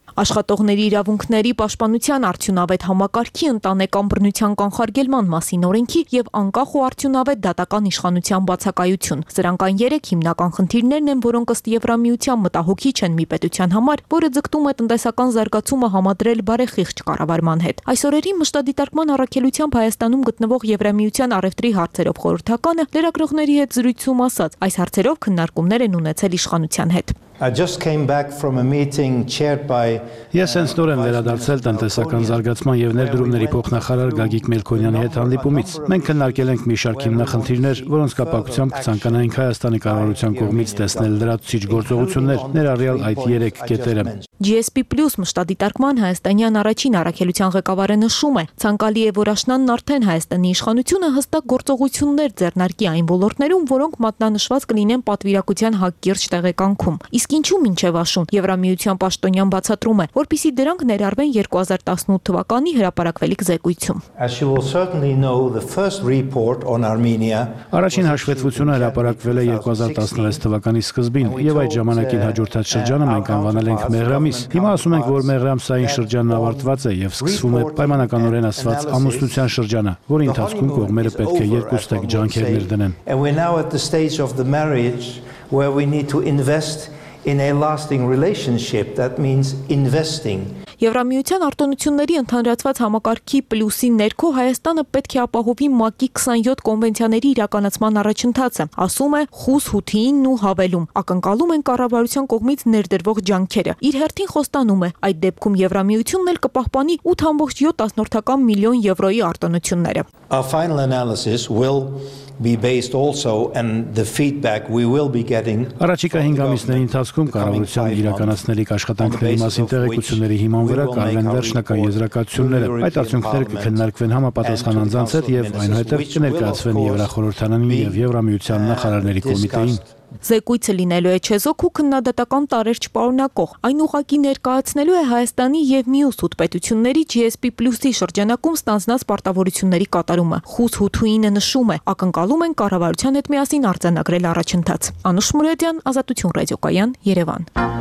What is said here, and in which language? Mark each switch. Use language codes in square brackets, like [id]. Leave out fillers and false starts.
[hy] Աշխատողների իրավունքների պաշտպանության արդյունավետ համակարգի ընտանեկան բռնության կանխարգելման մասին օրենքի և անկախ ու արդյունավետ դատական իշխանության բացակայություն։ Սրանք այն երեք հիմնական խնդիրներն են, որոնք ըստ Եվրամիության մտահոգիչ են մի պետության համար, որը ձգտում է տնտեսական զարգացումը համադրել բարեխիղճ կառավարման հետ։ Այս օրերին մշտադիտարկման առաքելությամբ Հայաստանում գտնվող Եվրամիության առևտրի հարցերով խորհրդականը լրագրողների հետ զրույցում ասաց, այս հարցերով քննարկումներ են ունեցել իշխանության հետ։ [en] I just came back from a meeting chaired by Yes, and [hy] նոր եմ վերադարձել տնտեսական զարգացման եւ ներդրումների փոխնախարար Գագիկ Մելքոնյանի հետ հանդիպումից։ Մենք քննարկել ենք մի շարք հիմնախնդիրներ, որոնց կապակցությամբ ցանկանային Հայաստանի կառավարության կողմից տեսնել լրացուցիչ գործողություններ ներառյալ այդ 3 կետերը։ GSP Plus մշտադիտարկման հայաստանյան առաջին առաքելության ղեկավարը նշում է, ցանկալի է, որ աշնանն արդեն Հայաստանի իշխանությունը հստակ գործողություններ ձեռնարկի այն ոլորտներում, որոնք մատնանշված կլինեն պատվիրակության հակիրճ տեղեկանքում։ Իսկ ինչու մինչև աշուն Եվրամիության պաշտոնյան բացատրում է, որպիսի դրանք ներառվեն 2018 թվականի հրապարակվելիք զեկույցում։ [en] As you will certainly know, the first report on Armenia [hy] Առաջին հաշվետվությունը հրապարակվել է 2016 թվականի սկզբին, եւ այդ ժամանակին հաջորդած շրջանը մենք անվանել ենք Մեղրամիս։ Հիմա ասում ենք, որ Մեղրամսային շրջանն ավարտված է եւ սկսվում է պայմանականորեն ասված ամուսնության շրջանը, որի ընթացքում կողմերը պետք է երկուստեք ջանքեր ներդնեն։ [en] Where we need to invest in a lasting relationship, that means investing. [hy] Եվրամիության արտոնությունների ընդհանրացված համակարգի պլյուսի ներքո Հայաստանը պետք է ապահովի ՄԱԿ-ի 27 կոնվենցիաների իրականացման առաջընթացը, ասում է Խուս Հութիին ու Հավելում։ Ակնկալում են կառավարության կողմից ներդրվող ջանքերը։ Իր հերթին խոստանում է, այդ դեպքում Եվրամիությունն էլ կպահպանի 8.7 միլիոն եվրոյի արտոնությունները։ [en] A final analysis will be based also on the feedback we will be getting. [hy] Առաջիկա 5 ամիսների ընթացքում կառավարության իրականացնելիք աշխատանքների մասին տեղեկությունների հիման վրա կարվեն վերջնական եզրակացությունները։ Այդ արդյունքները կքննարկվեն համապատասխան անձանց հետ և այնուհետև կներկայացվեն Եվրախորհրդարանին և Եվրամիության նախարարների կոմիտեին։ Զեկույցը լինելու է չեզոք ու քննադատական տարերջ պարունակող։ Այն ուղղակի ներկայացնելու է Հայաստանի և մյուս 8 պետությունների GSP Plus-ի շրջանակում ստանձնած պարտավորությունների կատարումը։ Խուս Հութուինը նշում է, ակնկալում են կառավարության հետ միասին արձանագրել առաջընթաց։ Անուշ Մուրադյան, Ազատություն Ռադիոկայան, Երևան։